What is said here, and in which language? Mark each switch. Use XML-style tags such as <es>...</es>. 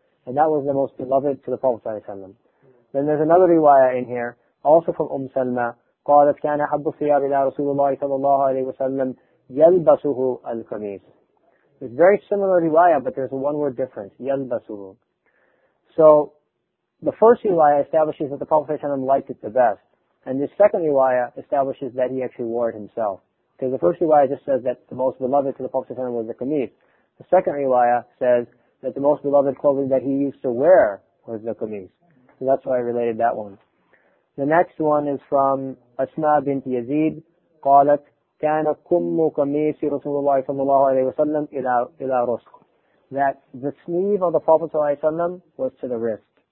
<en>And that was the most beloved to the Prophet Sallallahu Alaihi Wasallam. Then there's another riwayah in here, also from Salma,</en> <ar>قَالَتْ كَانَ حَبُّ الثِّيَابِ إِلَى رَسُولُ اللَّهِ صَلَى اللَّهُ عَلَيْهِ وَسَلَّمْ يَلْبَسُهُ الْقَمِيسِ.</ar> <en>It's very similar riwayah, but there's one word difference, يَلْبَسُهُ. So, the first riwayah establishes that the Prophet Sallallahu Alaihi Wasallam liked it the best. And the second riwayah establishes that he actually wore it himself. Because the first riwayah just says that the most beloved to the Prophet Sallallahu Alaihi Wasallam was the qamis. The second riwayah says that the most beloved clothing that he used to wear was the qamis. So that's why I related that one. The next one is from Asma bint Yazid.</en> <ar>قالت كان كم قميص رسول الله صلى الله عليه وسلم إلى رسخ.</ar> <en>That the sleeve of the Prophet صلى الله عليه وسلم was to the wrist.</en>